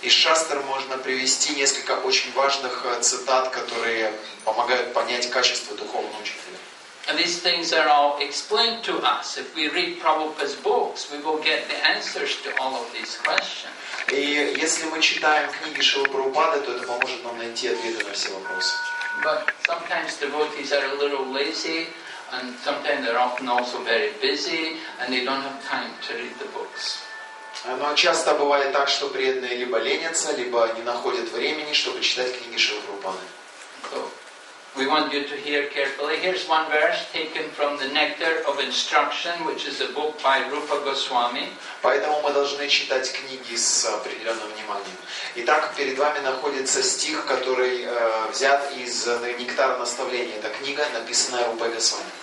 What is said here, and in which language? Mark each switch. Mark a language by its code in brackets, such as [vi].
[ru] Из шастр можно привести несколько очень важных цитат, которые помогают понять качество духовного учителя. [en] And these things are all explained to us. If we read Prabhupada's books, we will get the answers to all of these questions. [ru] И если мы читаем книги Шрилы Прабхупады, то это поможет нам найти ответы на все вопросы. [en] But sometimes devotees are a little lazy, and sometimes they're often also very busy, and they don't have time to read the books. [ru] Но часто бывает так, что преданные либо ленятся, либо не находят времени, чтобы читать книги Шрилы Прабхупады. [en] We want you to hear carefully. Here's one verse taken from the Nectar of Instruction, which is a book by Rupa Goswami. [ru] Поэтому мы должны читать книги с определенным вниманием. Итак, перед вами находится стих, который взят из Нектара наставления. Это книга, написанная Рупой Госвами.